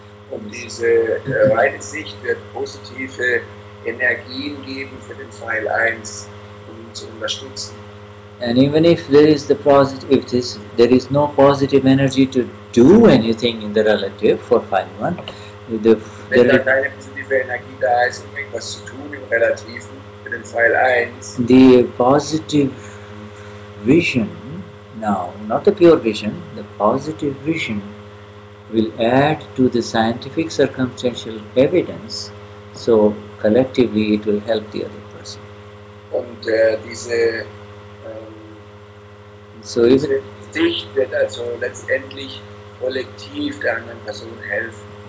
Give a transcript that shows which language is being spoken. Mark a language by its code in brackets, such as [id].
[de] Und diese reine Sicht wird positive Energien geben für den File 1, um ihn zu unterstützen. [en] And even if there is the positive, there is no positive energy to do anything in the relative for File 1, [de] wenn da keine positive Energie da ist, um etwas zu tun im Relativen für den File 1, [en] the positive vision, now, not the pure vision, the positive vision will add to the scientific circumstantial evidence, so collectively it will help the other person. [de] Und diese Sicht wird also letztendlich kollektiv der anderen Person helfen.